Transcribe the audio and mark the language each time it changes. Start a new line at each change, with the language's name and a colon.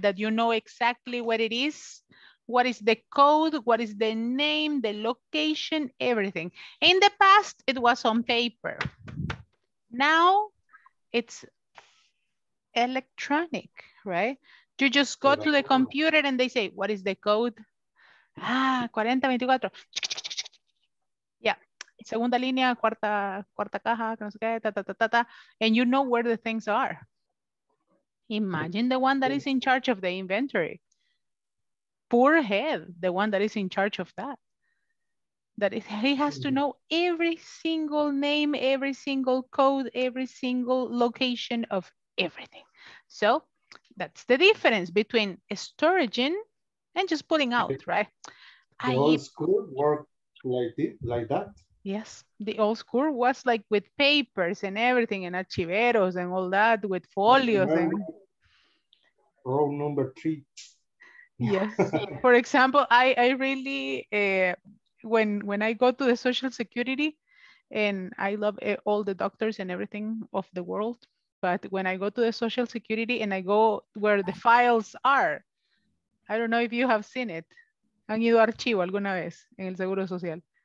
English: That you know exactly what it is, what is the code, what is the name, the location, everything. In the past, it was on paper. Now, it's electronic. Right? You just go to the computer and they say, what is the code? Ah, 4024. Yeah.
Spanish: Segunda línea, cuarta caja, no sé qué, ta.
English: And you know where the things are. Imagine the one that is in charge of the inventory. Poor head, the one that is in charge of that. That is, he has to know every single name, every single code, every single location of everything. So, that's the difference between storaging and just putting out, right? The old school worked like that? Yes, the old school was like with papers and everything and archiveros and all that with folios. And row number three. Yes, for example, I really, when I go to the Social Security and I love all the doctors and everything of the world, but when I go to the Social Security and I go where the files are, I don't know if you have seen it.
Spanish: ¿Han ido a archivo alguna vez en el Seguro Social?